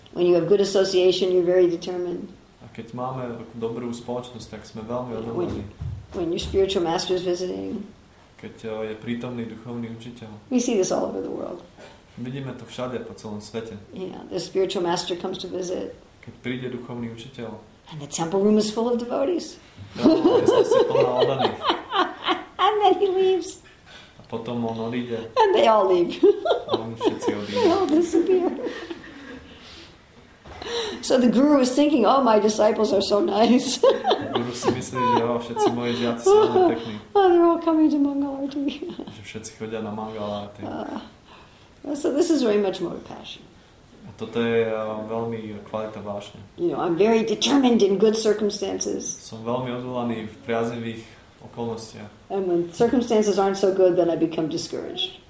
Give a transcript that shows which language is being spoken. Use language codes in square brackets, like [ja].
[en] When you have good association, you're very determined. [sk] A keď máme dobrú spoločnosť, tak sme veľmi odhodlaní. [en] When your spiritual master is visiting. [sk] Keď je prítomný duchovný učiteľ. [en] We see this all over the world. [sk] Vidíme to všade po celom svete. [en] Yeah, the spiritual master comes to visit. [sk] Keď príde duchovný učiteľ. [en] And the temple room is full of devotees. And then he leaves. [sk] A potom on odíde. [en] And they all leave. They all disappear. So the guru is thinking, oh, my disciples are so nice. [sk] Guru si myslí, že jo, všetci moji žiaci sú pekní. [en] Oh, they're all coming to Mangalarti. [sk] Že všetci chodia na Mangalarti. [en] So this is very much more passion. [sk] A toto je veľmi kvalita vášne. [en] You know, I'm very determined in good circumstances. [sk] Som veľmi odhodlaný v priaznivých okolnostiach. [en] And when circumstances aren't so good, then I become discouraged.